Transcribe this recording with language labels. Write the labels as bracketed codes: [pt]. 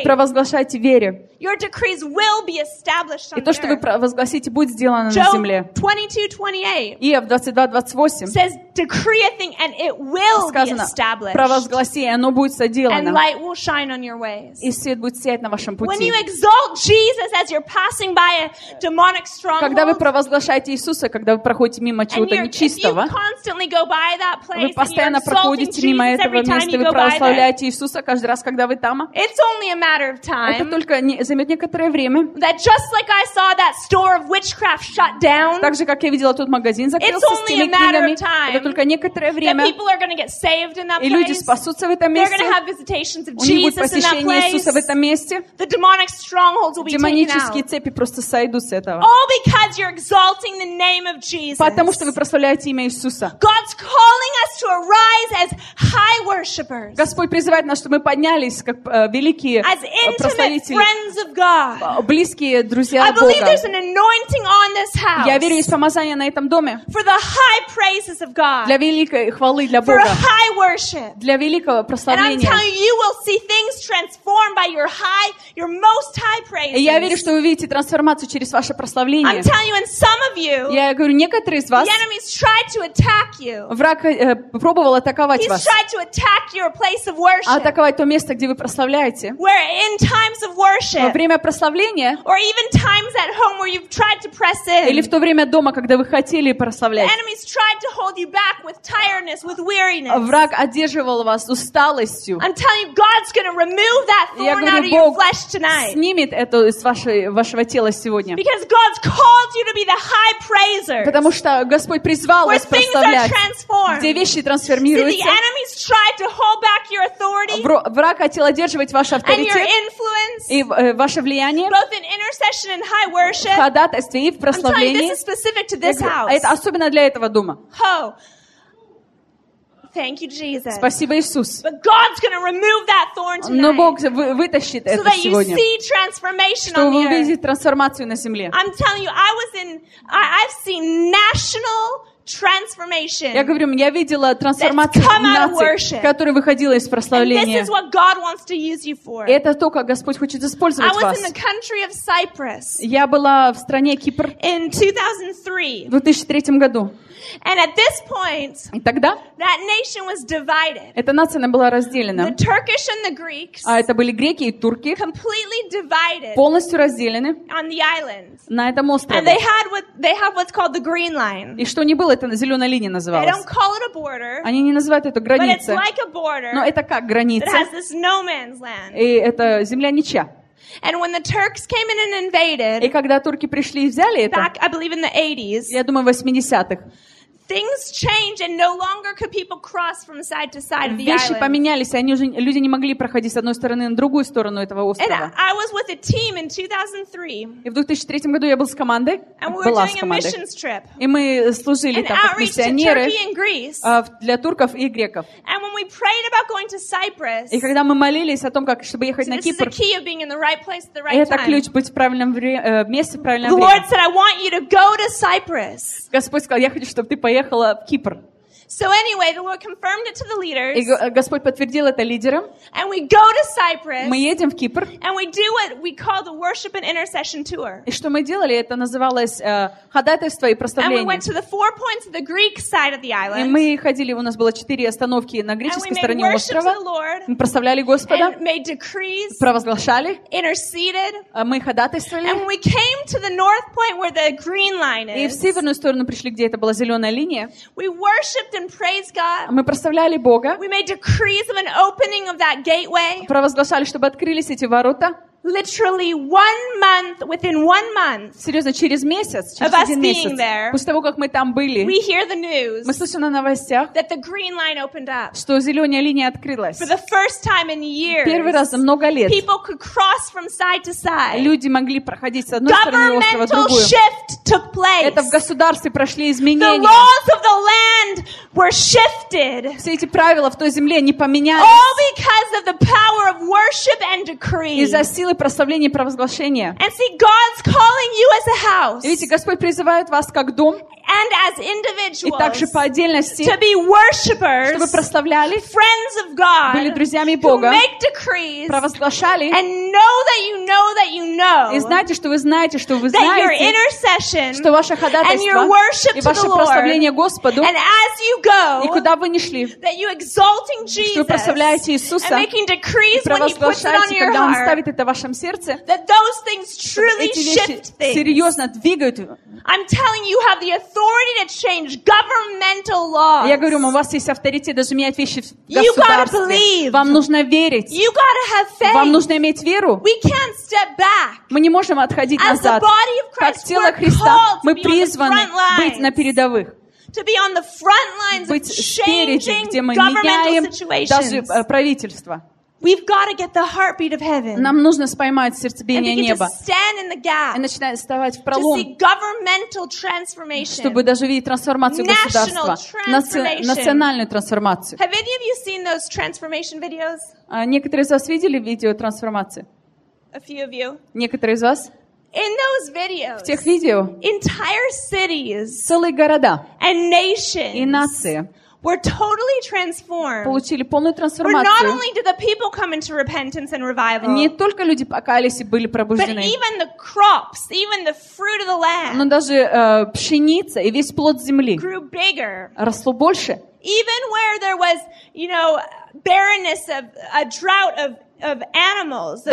[ru] и провозглашайте вере. [en] Your decrees will be established on [ru] и то, что вы провозгласите, будет сделано [en] Job [ru] на земле. Иов 22:28 [en] says, decree a thing and it will [ru] сказано, [en] be established. [ru] Провозгласи, и оно будет соделано. [en] And light will shine on your ways. [ru] И свет будет сиять на вашем пути. [en] When you exalt Jesus as you're passing by a demonic stronghold, [ru] когда вы провозглашаете Иисуса, когда вы проходите мимо чего-то нечистого, [en] you constantly go by that place, [ru] вы постоянно проходите мимо этого места, вы провозглашаете Иисуса каждый раз, когда вы там. [en] It's only a matter of time. [ru] Это только не займет некоторое время. [en] That just like I saw that store of witchcraft shut down. [ru] Так же, как я видела тот магазин закрылся с теми книгами. Это только некоторое время. [en] That people are going to get saved in that place. [ru] И люди спасутся в этом месте. [en] They're going to have visitations of Jesus in that place. [ru] У них будет посещение Иисуса в этом месте. [en] The demonic strongholds will be taken out. [ru] Демонические цепи просто сойдут с этого. [en] All because you're exalting the name of Jesus. [ru] Потому что вы прославляете имя Иисуса. [en] God's calling us to arise as high worshippers. [ru] Господь призывает нас, чтобы мы поднялись как великие прославители. [en] Of God. [ru] Близкие друзья [en] I believe [ru] Бога. [en] There's an anointing on this house. [ru] Я верю, есть помазание на этом доме. [en] For the high praises of God. [ru] Для великой хвалы для [en] For [ru] Бога. [en] For high worship. [ru] Для великого прославления. [en] And I'm telling you, you will see things transformed by your high, your most high praises. [ru] И я верю, что вы видите трансформацию через ваше прославление. [en] I'm telling you, and some of you. [ru] Я говорю, некоторые из вас. [en] The enemy's tried to attack you. [ru] Враг пробовал атаковать [en] He's [ru] вас. [en] He's tried to attack your place of worship. [ru] Атаковать то место, где вы прославляете. [en] Where in times of worship. [ru] Во время прославления [en] or even times at home where you've tried to press in. [ru] Или в то время дома, когда вы хотели прославлять. [en] The enemy's tried to hold you back with tiredness, with weariness. [ru] Враг одерживал вас усталостью. [en] I'm telling you, God's going to remove that thorn [ru] говорю, [en] out of your flesh tonight. [ru] Бог снимет это из вашего тела сегодня. [en] Because God's called you to be the high praiser. [ru] Потому что Господь призвал вас прославлять. [en] Where things are transformed. [ru] Где вещи трансформируются. [en] See, the enemy's tried to hold back your authority. [ru] Враг хотел одерживать ваш авторитет. [en] And your influence. [ru] И ваше влияние [en] both in intercession and high worship, [ru] в ходатайстве и в прославлении. [en] This is specific to this house. [ru] Это особенно для этого дома. [en] Oh. Thank you, Jesus. [ru] Спасибо, Иисус. [en] But God's gonna remove that thorn tonight, [ru] но Бог вытащит [en] so [ru] это [en] that [ru] сегодня, [en] you see transformation [ru] чтобы [en] on the earth. [ru] Вы увидите трансформацию на земле. [en] I'm telling you, I was in, I've seen national transformation. [ru] Я говорю, я видела трансформацию нации, которая выходила из прославления. [en] And this is what God wants to use you for. [ru] Это то, как Господь хочет использовать вас. [en] I was in the country of Cyprus. [ru] Я была в стране Кипр. [en] In 2003. [ru] В 2003 году. [en] And at this point, [ru] и тогда [en] that nation was divided. [ru] Эта нация была разделена. [en] The Turkish and the Greeks, [ru] а это были греки и турки, [en] completely divided, [ru] полностью разделены [en] on the islands. [ru] На этом острове. [en] And they had what, they have what's called the green line. [ru] И что не было, это зеленая линия называлась. [en] They don't call it a border, [ru] они не называют это границей. [en] But it's like a border, [ru] но это как граница. [en] It has this no man's land. [ru] И это земля ничья. [en] And when the Turks came in and invaded, [ru] и когда турки пришли и взяли это, [en] back, I believe in the 80s, [ru] я думаю, в 80-х, [en] things changed and no longer could people cross from side to side of the island. [ru] Вещи поменялись, они уже люди не могли проходить с одной стороны на другую сторону этого острова. [en] And I was with a team in 2003. [ru] И в 2003 году я был с командой. [en] And we were doing a missions trip. [ru] И мы служили там как миссионеры для турков и греков. [en] And when we prayed about going to Cyprus. [ru] И когда мы молились о том, как чтобы ехать на Кипр. [en] This is the key of being in the right place at the right time. [ru] Это ключ быть в правильном месте в правильное время. [en] The Lord said, "I want you to go to Cyprus." [ru] Господь сказал, я хочу, чтобы ты поехала в Кипр. [en] So anyway, the Lord confirmed it to the leaders. [ru] И Господь подтвердил это лидерам. [en] And we go to Cyprus. [ru] Мы едем в Кипр. [en] And we do what we call the worship and intercession tour. [ru] И что мы делали? Это называлось ходатайство и прославление. [en] And we went to the four points of the Greek side of the island. [ru] И мы ходили, у нас было 4 остановки на греческой стороне острова. [en] And we worshiped the Lord. [ru] Мы прославляли Господа. [en] And made decrees. [ru] Провозглашали. [en] Interceded. [ru] Мы ходатайствовали. [en] And we came to the north point where the green line is. [ru] И в северную сторону пришли, где это была зеленая линия. [en] We worshiped and praise God. [ru] Мы прославляли Бога. [en] We made decrees of an opening of that gateway. [ru] Провозглашали, чтобы открылись эти ворота. [en] Literally one month, within one month. [ru] Серьезно, через месяц, через один месяц. После того, как мы там были, [en] we hear the news. [ru] Мы слышим на новостях, [en] that the green line opened up. [ru] Что зеленая линия открылась. [en] For the first time in years. [ru] Первый раз за много лет. [en] People could cross from side to side. [ru] Люди могли проходить с одной стороны острова в другую. [en] Governmental shift took place. [ru] Это в государстве прошли изменения. [en] The laws of the land were shifted. [ru] Все эти правила в той земле не поменялись. [en] All because of the power of worship and decree. [ru] Из-за силы прославления и провозглашения. [en] And see, God's calling you as a house. [ru] И видите, Господь призывает вас как дом. [en] And as individuals, [ru] и также по отдельности, [en] to be worshipers, [ru] чтобы прославляли, [en] friends of God, [ru] были друзьями Бога, [en] who make decrees, [ru] провозглашали, [en] and know that you know that you know, [ru] и знаете, что вы знаете, что вы [en] that [ru] знаете, [en] your intercession, [ru] что ваше ходатайство, [en] and your worship [ru] и ваше [en] to the [ru] прославление [en] Lord, [ru] Господу, [en] and as you go, [ru] и куда вы ни шли, [en] that you exalting Jesus, [ru] что вы прославляете Иисуса, [en] and making decrees, [ru] и провозглашаете, [en] when he puts it on [ru] когда Он ставит это в вашем сердце, [en] that those things truly shift things. [ru] Эти вещи серьезно двигают. [en] I'm telling you, you have the authority to change governmental laws. [ru] Я говорю, у вас есть авторитет даже менять вещи в государстве. [en] You gotta believe. [ru] Вам нужно верить. [en] You gotta have faith. [ru] Вам нужно иметь веру. [en] We can't step back. [ru] Мы не можем отходить назад. [en] As the body of Christ, [ru] как тело Христа, мы призваны быть на передовых. [en] To be on the front lines of changing governmental situations. We've got to get the heartbeat of heaven. [ru] Нам нужно споймать сердцебиение неба. [en] And begin to stand in the gap. [ru] И начинать вставать в пролом. [en] To see governmental transformation. [ru] Чтобы даже видеть трансформацию государства. Национальную трансформацию. [en] Have any of you seen those transformation videos? [ru] Некоторые из вас видели видео трансформации? [en] A few of you. [ru] Некоторые из вас? [en] In those videos. [ru] В тех видео. [en] Entire cities. [ru] Целые города. [en] And nations. [ru] И нации. [en] We're totally transformed. [ru] Получили полную трансформацию. [en] Where not only did the people come into repentance and revival. [ru] Не только люди покаялись и были пробуждены. [en] But even the crops, even the fruit of the land. [ru] Но даже пшеница и весь плод земли. [en] Grew bigger. [ru] Росло больше. [en] Even where there was, you know, barrenness of a drought of animals.